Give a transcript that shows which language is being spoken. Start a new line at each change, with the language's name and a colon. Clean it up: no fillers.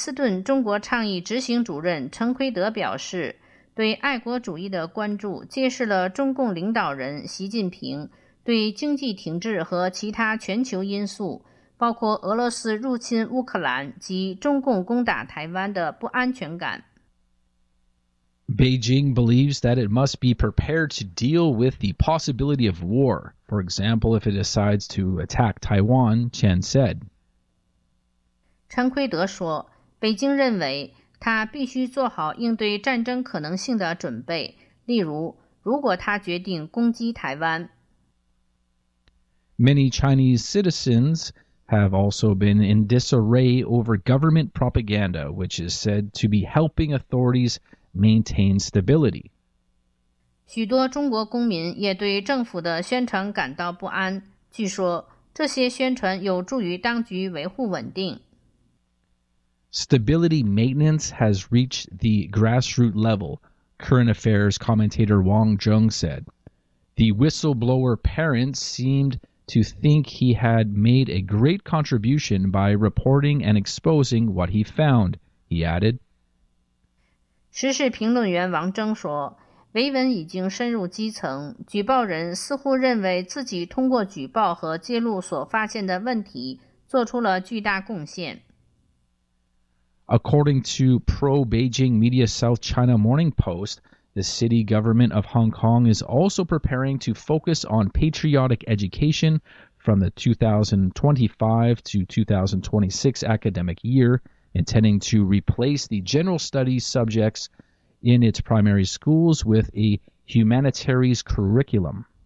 Chinese: 此外，普林斯顿中国倡议执行主任陈奎德表示， 对爱国主义的关注揭示了中共领导人习近平对经济停滞和其他全球因素，包括俄罗斯入侵乌克兰及中共攻打台湾的不安全感。
English: Beijing believes that it must be prepared to deal with the possibility of war. For example, if it decides to attack Taiwan, Chen said.
Chinese: 陈奎德说，北京认为他必须做好应对战争可能性的准备，例如，如果他决定攻击台湾。
English: Many Chinese citizens have also been in disarray over government propaganda, which is said to be helping authorities maintain stability.
Chinese: 许多中国公民也对政府的宣传感到不安，据说这些宣传有助于当局维护稳定。
English: Stability maintenance has reached the grassroots level, Current Affairs commentator Wang Zheng said. The whistleblower parent seemed to think he had made a great contribution by reporting and exposing what he found, he added.
Chinese: 时事评论员王铮说，维稳已经深入基层，举报人似乎认为自己通过举报和揭露所发现的问题做出了巨大贡献。
English: According to pro-Beijing media South China Morning Post, the city government of Hong Kong is also preparing to focus on patriotic education from the 2025 to 2026 academic year, intending to replace the general studies subjects in its primary schools with a humanities curriculum.